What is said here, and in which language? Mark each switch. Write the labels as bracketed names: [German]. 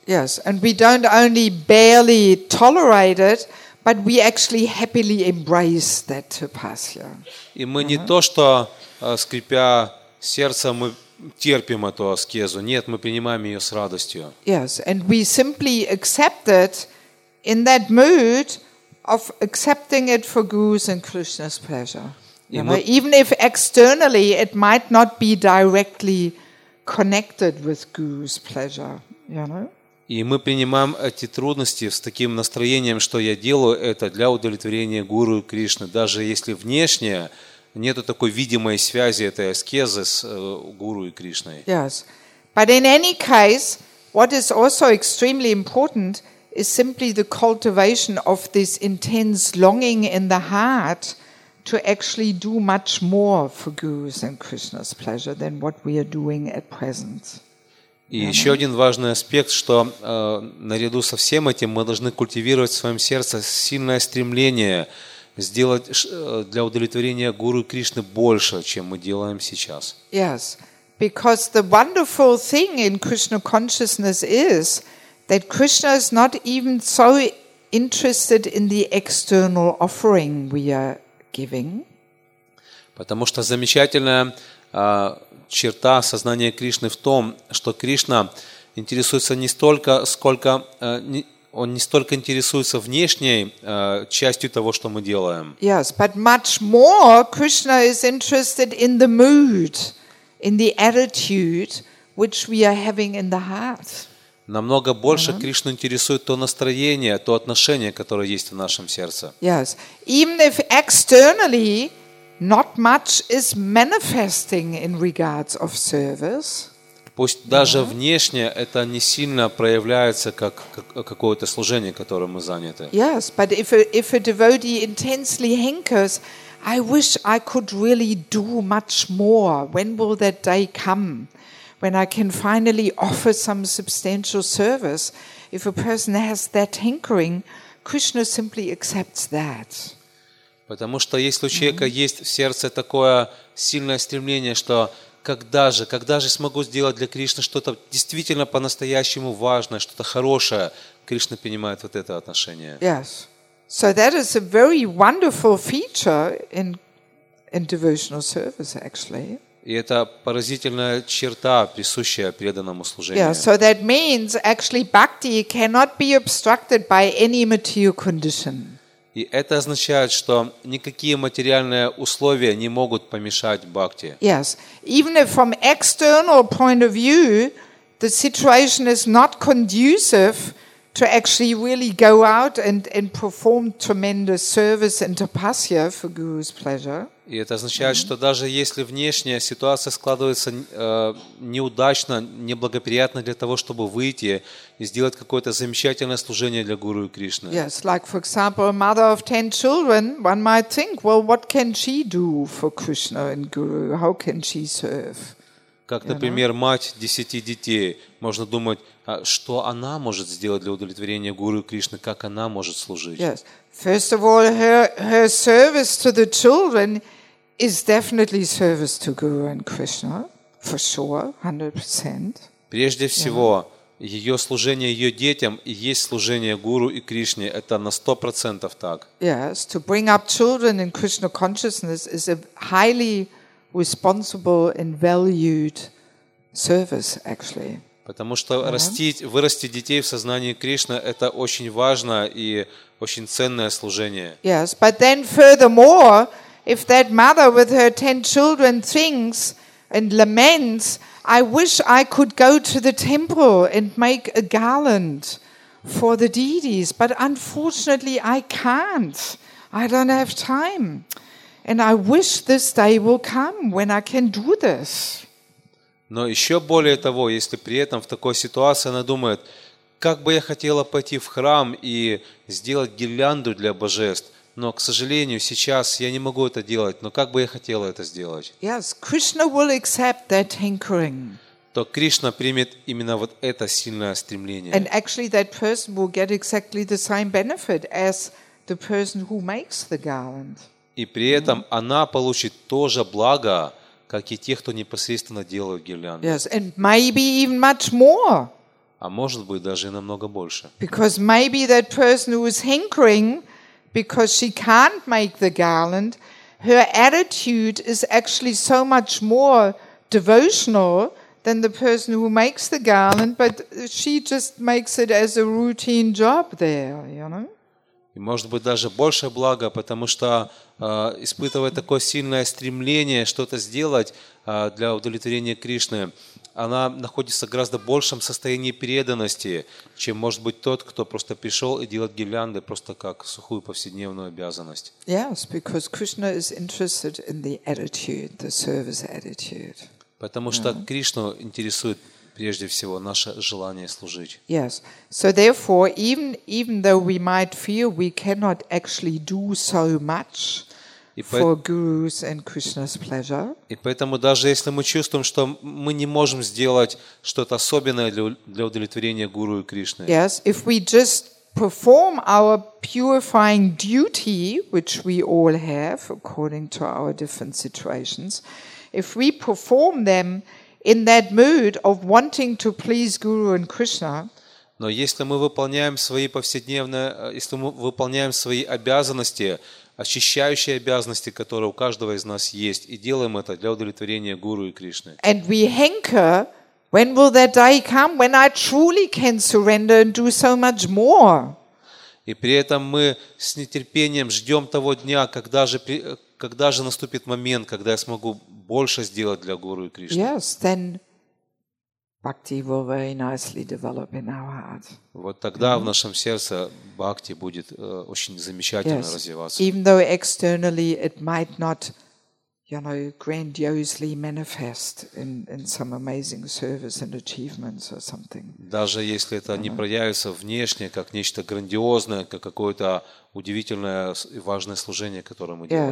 [English] Yes, and we don't only barely tolerate it, but we actually happily embrace that tapasya. [Russian] И мы не то, что скрипя сердцем мы терпим эту аскезу. Нет, мы принимаем ее с радостью. [English] Yes, and we simply accept it in that mood of accepting it for Guru's and Krishna's pleasure. You know, even if externally it might not be directly connected with Guru's pleasure, you know? [Russian] И мы принимаем эти трудности с таким настроением, что я делаю это для удовлетворения Гуру и Кришны, даже если внешне нету такой видимой связи этой аскезы с Гуру и Кришной. [English] Yes. But in any case, what is also extremely important is simply the cultivation of this intense longing in the heart to actually do much more for Guru's and Krishna's pleasure than what we are doing at present. [Russian] И еще один важный аспект, что наряду со всем этим мы должны культивировать в своем сердце сильное стремление сделать для удовлетворения Гуру и Кришны больше, чем мы делаем сейчас. [English] Yes, because the wonderful thing in Krishna consciousness is that Krishna is not even so interested in the external offering we are giving. [Russian] Потому что замечательная черта сознания Кришны в том, что Кришна интересуется не столько, сколько он не столько интересуется внешней частью того, что мы делаем. [English] Yes, but much more Krishna is interested in the mood, in the attitude which we are having in the heart. [Russian] Намного больше Кришну интересует то настроение, то отношение, которое есть в нашем сердце. [English] Yes. Even if externally not much is manifesting in regards of service. [Russian] Пусть даже внешне это не сильно проявляется как какое-то служение, которым мы заняты. [English] Yes, but if a devotee intensely hankers, I wish I could really do much more. When will that day come? When I can finally offer some substantial service, if a person has that hankering, Krishna simply accepts that. [Russian] Потому что если у человека есть в сердце такое сильное стремление, что когда же смогу сделать для Кришны что-то действительно по-настоящему важное, что-то хорошее, Кришна принимает вот это отношение. [English] Yes. So that is a very wonderful feature in devotional service, actually. [Russian] И это поразительная черта, присущая преданному служению. [English] Yeah, so that means actually bhakti cannot be obstructed by any material condition. [Russian] И это означает, что никакие материальные условия не могут помешать бхакти. [English] Yes, even if from external point of view the situation is not conducive to actually really go out and perform tremendous service and tapasya for Guru's pleasure. [Russian] И это означает, mm-hmm. что даже если внешняя ситуация складывается неудачно, неблагоприятно для того, чтобы выйти и сделать какое-то замечательное служение для Гуру и Кришны. [English] Yes, like for example, a mother of 10 children, one might think, well, what can she do for Krishna and Guru? How can she serve? [Russian] Как, например, мать 10 детей, можно думать, что она может сделать для удовлетворения Гуру и Кришны, как она может служить? [English] Yes. First of all, her service to the children is definitely service to Guru and Krishna, for sure, 100%. [Russian] Прежде всего, ее служение ее детям и есть служение Гуру и Кришне, это на 100% так. [English] Yes, to bring up children in Krishna consciousness is a highly responsible and valued service, actually. [Russian] Потому что растить, вырастить детей в сознании Кришны, это очень важно и очень ценное служение. [English] Yes, but then furthermore, if that mother with her 10 children thinks and laments, I wish I could go to the temple and make a garland for the deities, but unfortunately I can't. I don't have time. And I wish this day will come when I can do this. [Russian] Но еще более того, если при этом в такой ситуации она думает, как бы я хотела пойти в храм и сделать гирлянду для божеств, но, к сожалению, сейчас я не могу это делать, но как бы я хотела это сделать? [English] Yes, Krishna will accept that tinkering. [Russian] То Кришна примет именно вот это сильное стремление. [English] And actually that person will get exactly the same benefit as the person who makes the garland. [Russian] И при этом она получит то же благо, как и те, кто непосредственно делают гирлянду. [English] Yes, and maybe even much more. [Russian] А может быть, даже и намного больше. [English] Because maybe that person who is hankering, because she can't make the garland, her attitude is actually so much more devotional than the person who makes the garland, but she just makes it as a routine job there, you know? [Russian] И может быть, даже больше блага, потому что испытывая такое сильное стремление что-то сделать для удовлетворения Кришны, она находится в гораздо большем состоянии преданности, чем может быть тот, кто просто пришел и делает гирлянды просто как сухую повседневную обязанность. [English] Yes, because Krishna is interested in the attitude, the service attitude. [Russian] Потому что Кришну интересует прежде всего наше желание служить. [English] Yes. So therefore, even though we might feel we cannot actually do so much for Guru's and Krishna's pleasure. [Russian] И поэтому даже если мы чувствуем, что мы не можем сделать что-то особенное для удовлетворения Гуру и Кришны. [English] Yes, if we just perform our purifying duty, which we all have according to our different situations, if we perform them in that mood of wanting to please Guru and Krishna. [Russian] Но если мы выполняем свои повседневные, если мы выполняем свои обязанности, очищающие обязанности, которые у каждого из нас есть, и делаем это для удовлетворения Гуру и Кришны. [English] And we hanker, when will that day come when I truly can surrender and do so much more? [Russian] И при этом мы с нетерпением ждем того дня, когда же наступит момент, когда я смогу больше сделать для Гуру и Кришны. [English] Yes, then bhakti will very nicely develop in our heart. [Russian] Вот тогда в нашем сердце бхакти будет очень замечательно развиваться. [English] Yes, even though externally it might not, you know, grandiosely manifest in some amazing service and achievements or something. [Russian] Даже если это не проявится внешне как нечто грандиозное, как какое-то удивительное и важное служение, которое мы делаем.